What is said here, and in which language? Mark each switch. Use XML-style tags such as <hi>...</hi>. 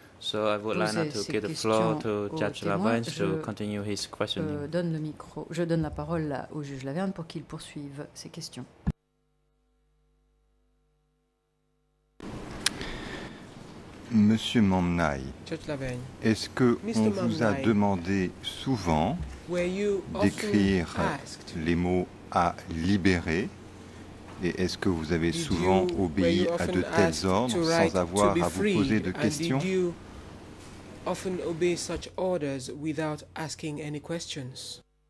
<en>So I would like now to give the floor to Judge Lavergne to continue his questioning.</en> <fr>Donne le micro. Je donne la parole là, au juge Lavergne pour qu'il poursuive ses questions. Monsieur Mam Nai, est-ce que on vous a demandé souvent d'écrire les mots à libérer? Et est-ce que vous avez souvent obéi à de tels ordres sans avoir à vous poser de questions?</fr> <en>Did you often obey such orders without asking any questions?</en>